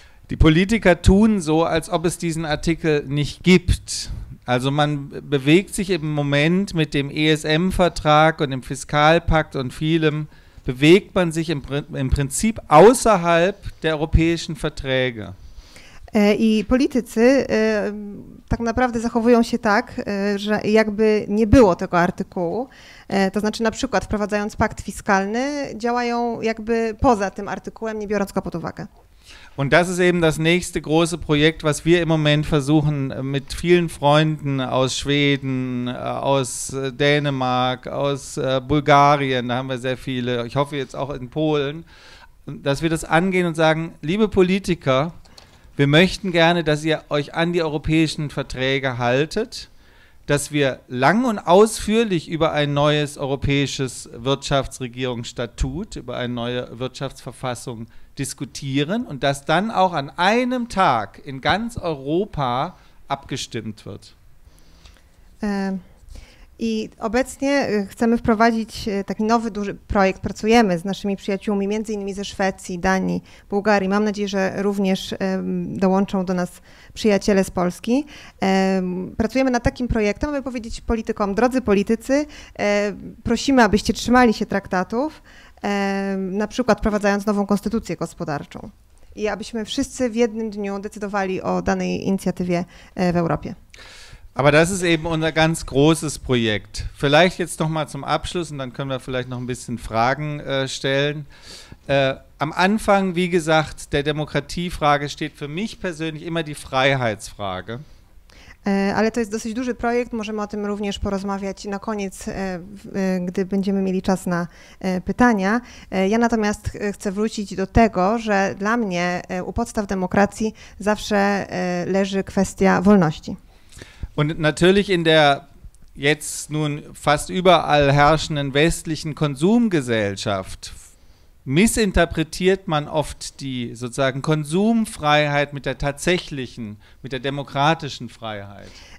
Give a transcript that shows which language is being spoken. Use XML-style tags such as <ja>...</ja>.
<de>Die Politiker tun so, als ob es diesen Artikel nicht gibt. Also man bewegt sich im Moment mit dem ESM-Vertrag und dem Fiskalpakt und vielem, bewegt man sich im Prinzip außerhalb der europäischen Verträge.</de> <pl>I politycy tak naprawdę zachowują się tak, że jakby nie było tego artykułu. To znaczy na przykład wprowadzając pakt fiskalny, działają jakby poza tym artykułem, nie biorąc go pod uwagę.</pl> <de>Und das ist eben das nächste große Projekt, was wir im Moment versuchen mit vielen Freunden aus Schweden, aus Dänemark, aus Bulgarien, da haben wir sehr viele, ich hoffe jetzt auch in Polen, dass wir das angehen und sagen, liebe Politiker, wir möchten gerne, dass ihr euch an die europäischen Verträge haltet, dass wir lang und ausführlich über ein neues europäisches Wirtschaftsregierungsstatut, über eine neue Wirtschaftsverfassung diskutieren und dass dann auch an einem Tag in ganz Europa abgestimmt wird.</de> <pl>I obecnie chcemy wprowadzić taki nowy duży projekt, pracujemy z naszymi przyjaciółmi, między innymi ze Szwecji, Danii, Bułgarii. Mam nadzieję, że również dołączą do nas przyjaciele z Polski. Pracujemy nad takim projektem, aby powiedzieć politykom, drodzy politycy, prosimy, abyście trzymali się traktatów, na przykład wprowadzając nową konstytucję gospodarczą i abyśmy wszyscy w jednym dniu decydowali o danej inicjatywie w Europie.</pl> <de>Aber das ist eben unser ganz großes Projekt. Vielleicht jetzt noch mal zum Abschluss und dann können wir vielleicht noch ein bisschen Fragen stellen. Am Anfang, wie gesagt, der Demokratiefrage steht für mich persönlich immer die Freiheitsfrage.</de> <pl>Ale to jest dosyć duży projekt, możemy o tym również porozmawiać na koniec, gdy będziemy mieli czas na pytania. Ja natomiast chcę wrócić do tego, że dla mnie u podstaw demokracji zawsze leży kwestia wolności.</pl> <de>Und natürlich in der jetzt nun fast überall herrschenden westlichen Konsumgesellschaft missinterpretiert man oft die sozusagen Konsumfreiheit mit der tatsächlichen, mit der demokratischen Freiheit.</de>